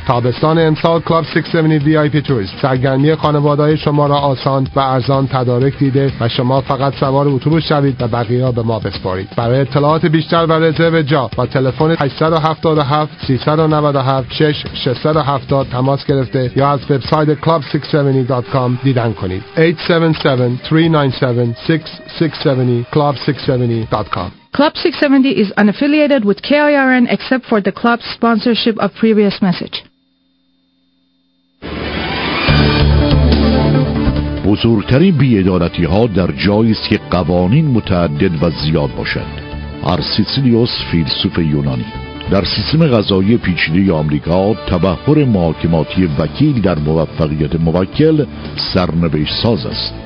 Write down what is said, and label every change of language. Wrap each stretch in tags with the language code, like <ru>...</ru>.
<fa>تابستان امسال کلاب 670 وی آی پی تورز سرگرمی خانواده‌های شما را آسان و ارزان تدارک دیده و شما فقط سوار اتوبوس شوید و بقیه را به ما بسپارید. برای اطلاعات بیشتر و رزرو جا با تلفن 877-397-6670 تماس گرفته یا از وبسایت club670.com دیدن کنید. 877-397-6670 club670.com.</fa> <en>Club 670 is unaffiliated with KIRN except for the club's sponsorship of previous message.</en> <fa>بزرگترین بی‌عدالتی ها در جایی است که قوانین متعدد و زیاد باشد. آرستیدس فیلسوف یونانی. در سیستم قضایی پیچیده آمریکا، تبحر محاکماتی وکیل در موفقیت موکل سرنوشت ساز است.</fa>